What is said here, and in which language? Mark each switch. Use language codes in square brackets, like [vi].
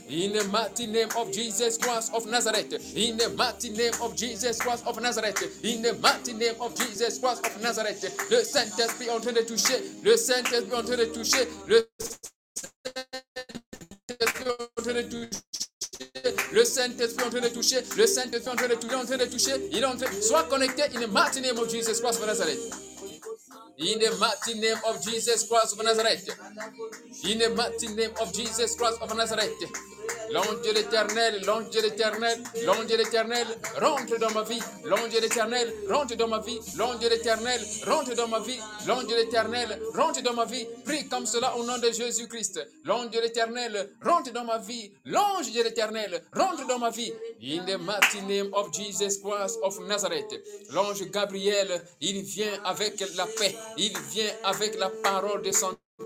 [en] In the mighty name of Jesus Christ of Nazareth, in the mighty name of Jesus Christ of Nazareth, in the mighty name of Jesus Christ of Nazareth, [fr] le Saint-Esprit est en train de toucher. Le Saint-Esprit est en train de toucher. Le Saint-Esprit est en train de toucher. Le Saint-Esprit est en train de toucher. Le Saint-Esprit est en train de toucher. Il est en train de toucher. Il est en train de... Sois connecté. [en] In the mighty name of Jesus Christ of Nazareth. In the mighty name of Jesus Christ of Nazareth. In the mighty name of Jesus Christ of Nazareth. [fr] L'ange de l'éternel, l'ange de l'éternel, l'ange de l'éternel, rentre dans ma vie, l'ange de l'éternel, rentre dans ma vie, l'ange de l'éternel, rentre dans ma vie, l'ange de l'éternel, rentre dans ma vie, prie comme cela au nom de Jésus-Christ, l'ange de l'éternel, rentre dans ma vie, l'ange de l'éternel, rentre dans ma vie, [en] in the mighty name of Jesus Christ of Nazareth, [fr] l'ange Gabriel, il vient avec la paix, il vient avec la parole de santé.